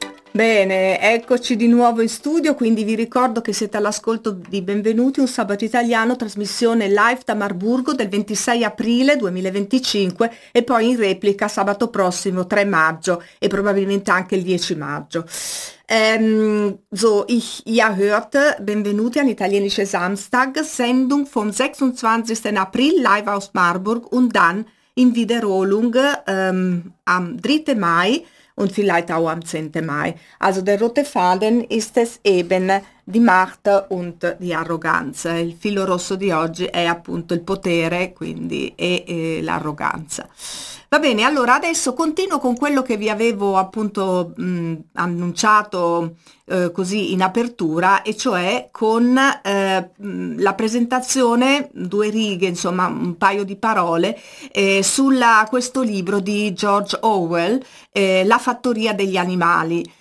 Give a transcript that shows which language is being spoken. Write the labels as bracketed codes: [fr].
[it] Bene, eccoci di nuovo in studio, quindi vi ricordo che siete all'ascolto di Benvenuti, un sabato italiano, trasmissione live da Marburgo del 26 aprile 2025 e poi in replica sabato prossimo 3 maggio e probabilmente anche il 10 maggio. [de] So, ihr hört Benvenuti an italienische Samstag, Sendung vom 26. April live aus Marburg und dann in Wiederholung am 3. Mai. Und vielleicht auch am 10. Mai. Also der rote Faden ist es eben die Macht und die Arroganz. [it] Il filo rosso di oggi è appunto il potere, quindi e l'arroganza. Va bene, allora adesso continuo con quello che vi avevo appunto annunciato così in apertura, e cioè con la presentazione, due righe, insomma un paio di parole, sulla questo libro di George Orwell, La fattoria degli animali.